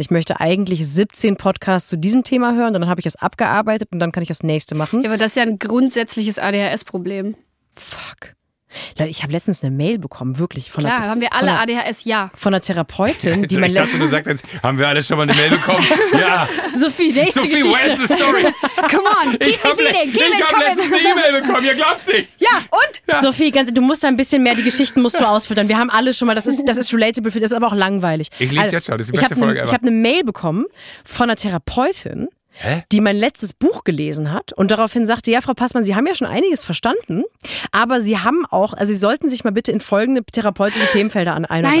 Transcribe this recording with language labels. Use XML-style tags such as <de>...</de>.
<de>Ich möchte eigentlich 17 Podcasts zu diesem Thema hören und dann habe ich das abgearbeitet und dann kann ich das nächste machen. Ja, aber das ist ja ein grundsätzliches ADHS-Problem. Fuck. Leute, ich habe letztens eine Mail bekommen, wirklich. Von klar, einer, haben wir alle von einer, ADHS? Ja. Von einer Therapeutin. Also die ich dachte, du sagst jetzt, haben wir alle schon mal eine Mail bekommen? Ja. Sophie, nächste Sophie, Geschichte.</de> <en>Sophie, where's the story? Come on, keep me feeding, keep me coming.</en> <de>Ich habe letztens eine E-Mail bekommen, ihr glaubt's nicht. Ja, und? Ja. Sophie, ganz, du musst da ein bisschen mehr, die Geschichten musst du ausfüttern. Wir haben alle schon mal, das ist relatable, für, das ist aber auch langweilig. Ich lese also, jetzt schon, das ist die beste Folge ever. Ich habe eine Mail bekommen von einer Therapeutin, die mein letztes Buch gelesen hat und daraufhin sagte, ja, Frau Passmann, Sie haben ja schon einiges verstanden, aber Sie haben auch, also Sie sollten sich mal bitte in folgende therapeutische Themenfelder an einer.</de>